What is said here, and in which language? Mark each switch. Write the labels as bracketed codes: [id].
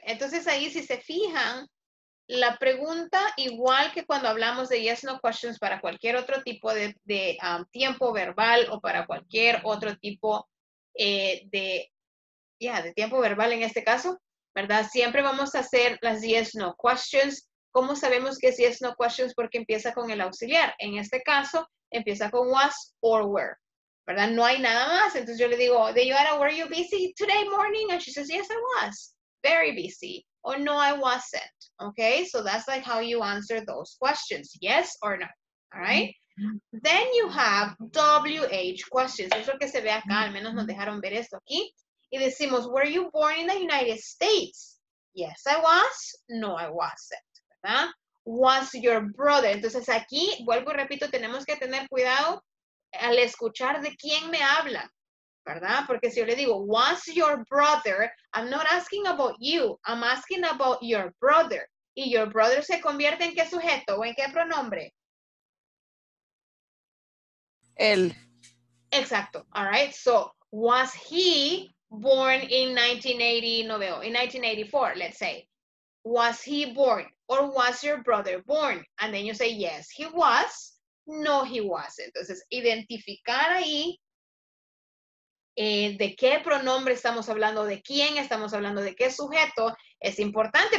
[es] Entonces ahí, si se fijan, la pregunta, igual que cuando hablamos de yes, no questions para cualquier otro tipo de tiempo verbal o para cualquier otro tipo de tiempo verbal en este caso, ¿verdad? Siempre vamos a hacer las yes, no questions. ¿Cómo sabemos que es yes, no questions? Porque empieza con el auxiliar. En este caso, empieza con was or were, ¿verdad? No hay nada más. Entonces yo le digo, [en] did you ever, were you busy today morning? And she says, yes, I was. Very busy. Or no, I wasn't. Okay, so that's like how you answer those questions. Yes or no. All right. Then you have WH questions. [es] Eso que se ve acá, al menos nos dejaron ver esto aquí. Y decimos, [en] were you born in the United States? Yes, I was. No, I wasn't. [es] ¿Verdad? [en] Was your brother? [es] Entonces aquí, vuelvo y repito, tenemos que tener cuidado al escuchar de quién me habla, ¿verdad? Porque si yo le digo, [en] was your brother, I'm not asking about you, I'm asking about your brother. [es] ¿Y [en] your brother [es] se convierte en qué sujeto o en qué pronombre? Él. Exacto. [en] All right. So, was he born in 1984, let's say. Was he born or was your brother born? And then you say, yes, he was. No, he wasn't. [es] Entonces, identificar ahí de qué pronombre estamos hablando, de quién estamos hablando, de qué sujeto, es importante.